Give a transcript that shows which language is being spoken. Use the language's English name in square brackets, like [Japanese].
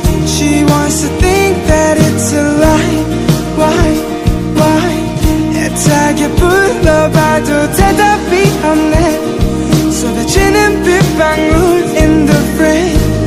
[English] She wants to think that it's a lie. [Korean] Why 애타게 불러봐도 대답이 없네. 쏟아지는 빗방울 [English] in the rain.